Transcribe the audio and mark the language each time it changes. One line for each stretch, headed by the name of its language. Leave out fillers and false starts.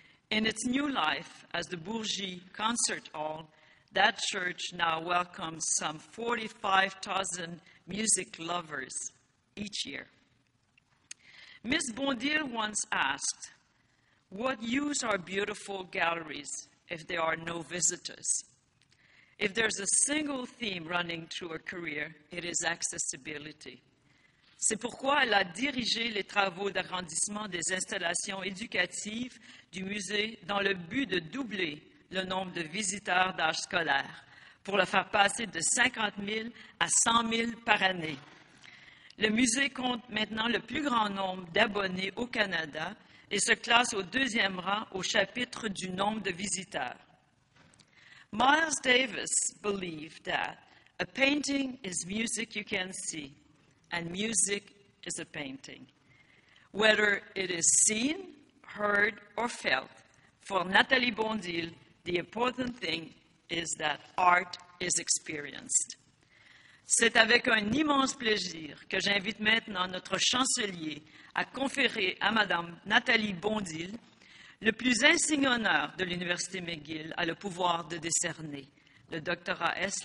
English: In its new life as the Bourgie Concert Hall, that church now welcomes some 45,000 music lovers each year. Ms. Bondil once asked, "What use are beautiful galleries if there are no visitors?" If there's a single theme running through her career, it is accessibility.
French: C'est pourquoi elle a dirigé les travaux d'agrandissement des installations éducatives du musée dans le but de doubler le nombre de visiteurs d'âge scolaire, pour le faire passer de 50 000 à 100 000 par année. Le musée compte maintenant le plus grand nombre d'abonnés au Canada et se classe au deuxième rang au chapitre du nombre de visiteurs.
English: Miles Davis believed that a painting is music you can see, and music is a painting. Whether it is seen, heard, or felt, for Nathalie Bondil, the important thing is that art is experienced.
French: C'est avec un immense plaisir que j'invite maintenant notre chancelier à conférer à Madame Nathalie Bondil le plus insigne honneur de l'Université McGill a le pouvoir de décerner, le doctorat S.